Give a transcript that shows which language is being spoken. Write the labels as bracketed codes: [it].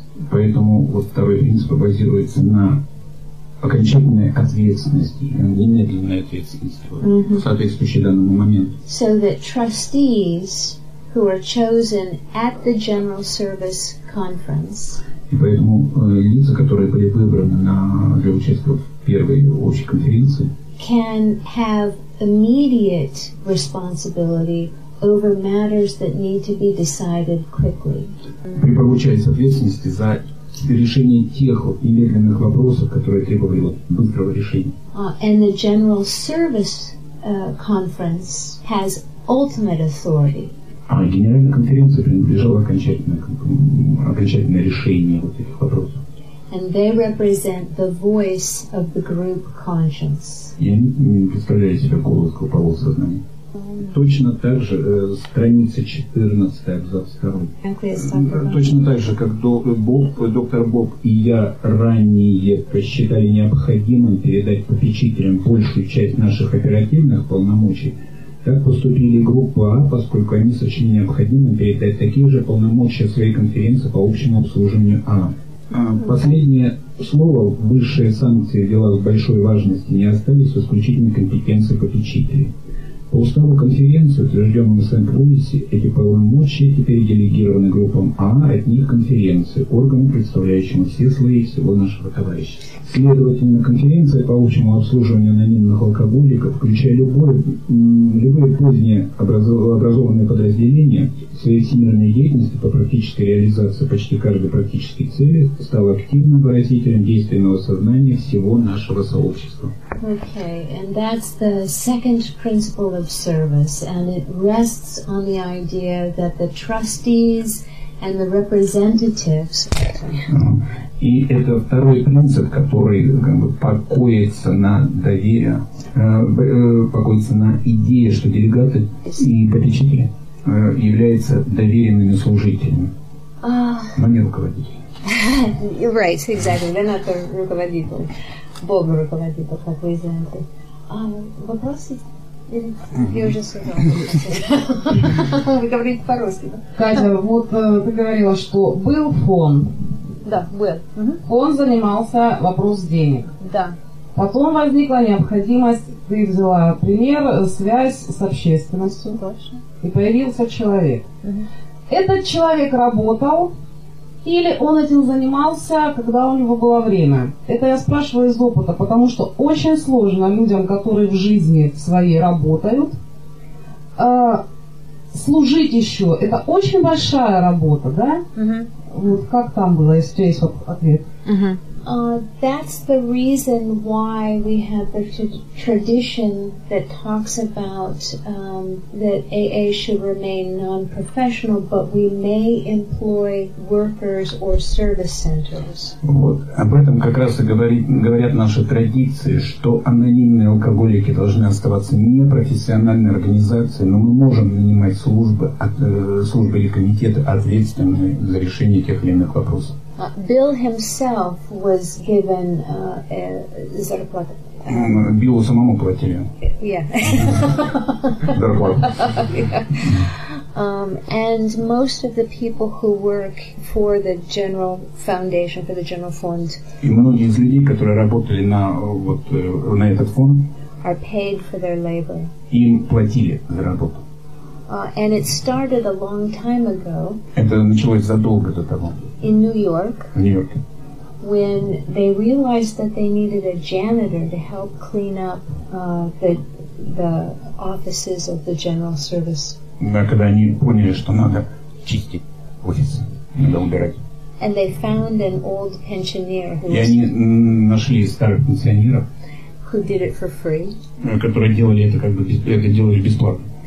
[ru] Поэтому вот второй принцип базируется на окончательной ответственности, немедленной ответственности, соответствующей данному моменту. [en] So that trustees who are chosen at the General Service Conference, [ru] и поэтому лица, которые были выбраны на для участия в первой общей конференции, [en] can have immediate responsibility over matters that need to be decided quickly. [ru] При получении ответственности за решение тех немедленных вопросов, которые требовали быстрого решения. [en] And the General Service Conference has ultimate authority. [ru] А Генеральная конференция принадлежала окончательное решение вот этих вопросов. [en] And they represent the voice of the group conscience. [ru] Я не представляю себе голос группового сознания. Точно так же, страница 14, абзац 2. Точно так же, как доктор Боб и я ранее посчитали необходимым передать попечителям большую часть наших оперативных полномочий, так поступили группа А, поскольку они сочли необходимым передать такие же полномочия своей конференции по общему обслуживанию А. Последнее слово, высшие санкции в делах большой важности не остались в исключительной компетенции попечителей. По уставу конференции, утвержденному в Сент-Луисе, эти полномочия теперь делегированы группам А от них конференции, органу, представляющему все слои всего нашего товарища. Следовательно, конференция по общему обслуживанию анонимных алкоголиков, включая любые поздние образованные подразделения, в своей всемирной деятельности по практической реализации почти каждой практической цели стала активным выразителем действенного сознания всего нашего сообщества. [en] Okay, and that's the second principle of service, and it rests on the idea that the trustees and the representatives. [ru] И это второй принцип, который как бы покоится на доверии, покоится на идее, что делегаты и попечители являются доверенными служителями, но не руководителями. [en] Right, exactly. They're not the [ru] руководители. Богу руководит, вот как вы знаете. А вопросы? Или я уже сказала, что вы говорите по-русски, да? Катя, вот ты говорила, что был фон. Да, был. Фон занимался вопрос денег. Да. Потом возникла необходимость, ты взяла пример, связь с общественностью. Точно. И появился человек. Угу. Этот человек работал или он этим занимался, когда у него было время? Это я спрашиваю из опыта, потому что очень сложно людям, которые в жизни своей работают, служить еще. Это очень большая работа, да? Угу. Вот как там было, если у тебя есть ответ? Угу. [en] That's the reason why we have the tradition that talks about that AA should remain non-professional, but we may employ workers or service centers. [ru] Вот об этом как раз и говорят наши традиции, что анонимные алкоголики должны оставаться непрофессиональной организацией, но мы можем нанимать службы или комитеты, ответственные за решение тех или иных вопросов. [en] Bill himself was given [ru] зарплату. Биллу самому платили. [en] Yeah. [ru] Зарплату. [en] And most of the people who work for the general foundation, for the general fund. [ru] И многие из людей, которые работали на этот фонд, [en] are paid for their labor. [ru] Им платили за работу. [en] And it started a long time ago. [ru] Это началось задолго до того. [en] In New York. [ru] В Нью-Йорке. [en] When they realized that they needed a janitor to help clean up the offices of the general service. [ru] Да, когда они поняли, что надо чистить офис, надо убирать. [en] And they found an old pensioner who. [ru] И они нашли старых пенсионеров. [en] Who did it for free? [ru] Которые делали это как бы делали бесплатно.